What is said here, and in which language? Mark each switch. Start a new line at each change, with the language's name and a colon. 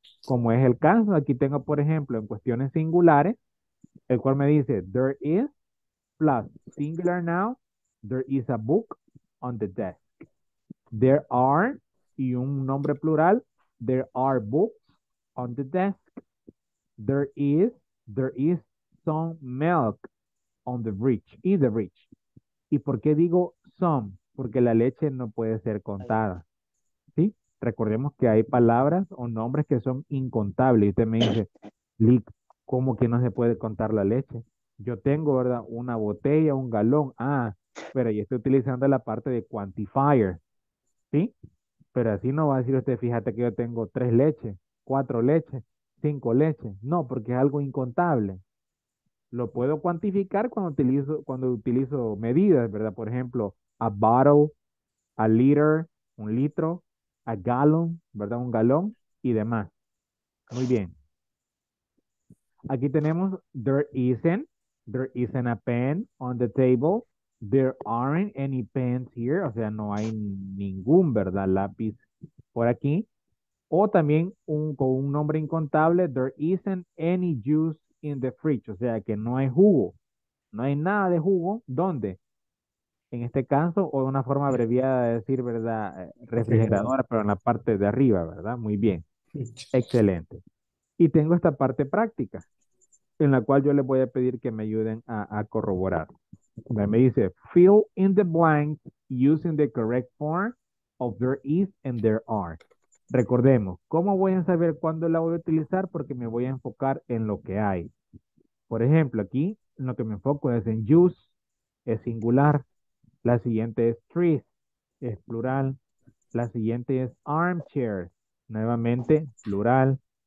Spanish: Como es el caso, aquí tengo, por ejemplo, en cuestiones singulares, el cual me dice,
English: there is plus singular noun, there is a book on the desk. There are,
Spanish: y un nombre plural,
English: there are books on the desk. There is some milk on the fridge, in the fridge.
Spanish: ¿Y por qué digo some? Porque la leche no puede ser contada. Recordemos que hay palabras o nombres que son incontables. Y usted me dice, Lick, ¿cómo que no se puede contar la leche? Yo tengo, ¿verdad?, una botella, un galón. Ah, pero yo estoy utilizando la parte de quantifier. ¿Sí? Pero así no va a decir usted, fíjate que yo tengo 3 leches, 4 leches, 5 leches. No, porque es algo incontable. Lo puedo cuantificar cuando utilizo medidas, ¿verdad?
English: Por ejemplo, a bottle, a liter,
Spanish: un litro.
English: A gallon,
Spanish: ¿verdad? Un galón y demás. Muy bien. Aquí tenemos
English: there isn't a pen on the table. There aren't any pens here.
Spanish: O sea, no hay ningún, ¿verdad?, lápiz por aquí. O también con un nombre incontable,
English: there isn't any juice in the fridge.
Spanish: O sea, que no hay jugo. No hay nada de jugo. ¿Dónde? En este caso, o una forma abreviada de decir, ¿verdad?, refrigeradora, pero en la parte de arriba, ¿verdad? Muy bien. Excelente. Y tengo esta parte práctica, en la cual yo les voy a pedir que me ayuden a corroborar. Me dice,
English: fill in the blanks using the correct form of there is and there are.
Spanish: Recordemos, ¿cómo voy a saber cuándo la voy a utilizar? Porque me voy a enfocar en lo que hay. Por ejemplo, aquí, lo que me enfoco es en use, es singular. La siguiente es trees, es plural. La siguiente es armchair, nuevamente plural.